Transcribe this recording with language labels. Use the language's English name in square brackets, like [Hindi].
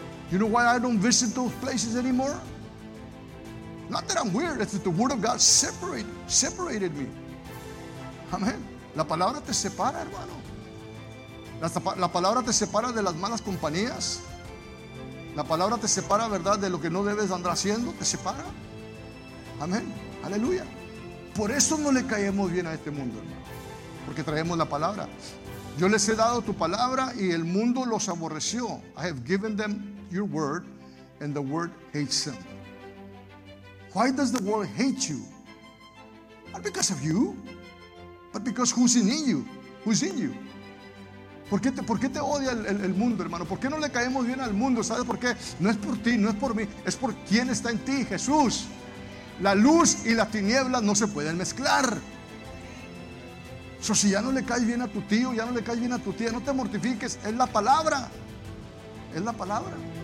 [English] You know why I don't visit those places anymore? Not that I'm weird, it's that the word of God separated me. [Spanish] Amén. La palabra te separa, hermano. La palabra te separa de las malas compañías. La palabra te separa, ¿verdad?, de lo que no debes andar haciendo, te separa. Amén, aleluya. Por eso no le caemos bien a este mundo, hermano, porque traemos la palabra. Yo les he dado tu palabra y el mundo los aborreció. [English] I have given them your word and the world hates them. Why does the world hate you? Not because of you, but because who's in you? Who's in you? [Spanish] ¿Por qué te odia el mundo, hermano? ¿Por qué no le caemos bien al mundo? ¿Sabes por qué? No es por ti, no es por mí, es por quien está en ti, Jesús. La luz y la tiniebla no se pueden mezclar. So, si ya no le caes bien a tu tío, ya no le caes bien a tu tía, no te mortifiques, es la palabra. Es la palabra.